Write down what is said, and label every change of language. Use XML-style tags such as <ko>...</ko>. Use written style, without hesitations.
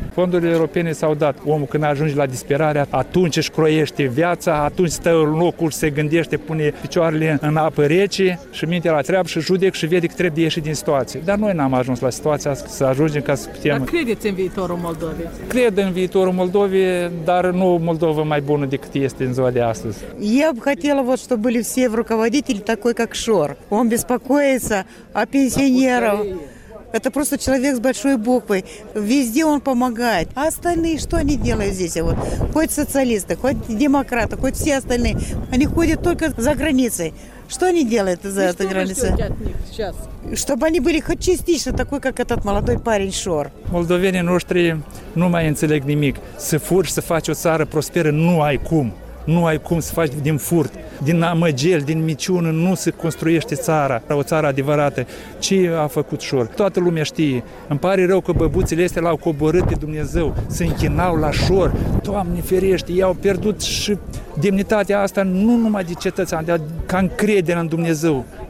<ro>Fondurile europene s-au dat. Omul când ajunge la disperare, atunci își croiește viața, atunci stă în locul și se gândește, pune picioarele în apă rece și mintea la treabă și judec și vede că trebuie ieși din situație. Dar noi n-am ajuns la situația să ajungem ca să putem. Dar credeți în viitorul Moldovei? Cred în viitorul Moldovei, dar nu Moldova mai bună decât este în ziua de astăzi.</ro> <ru>Я бы хотела, вот, чтобы были все руководители такой, как Шор. Он беспокоится о пенсионерах. Это просто человек с большой буквой. Везде он помогает. А остальные, что они делают здесь? Вот, хоть социалисты, хоть демократы, хоть все остальные. Они ходят только за границей. Что они делают за этой что границей? Что вы ждете от них сейчас? Чтобы они были хоть частично такой, как этот молодой парень Шор. Молдовяне наши не понимают ничего.</ru> <ro>Се фур, се фачу цару просперы, ну ай кум. Nu ai cum să faci din furt, din amăgel, din miciună, nu se construiește țara, o țară adevărată. Ce a făcut Șor? Toată lumea știe. Îmi pare rău că băbuțele astea l-au coborât de Dumnezeu, se închinau la Șor. Doamne ferește, i-au pierdut și demnitatea asta nu numai de cetățean, dar ca încredere în Dumnezeu.</ro>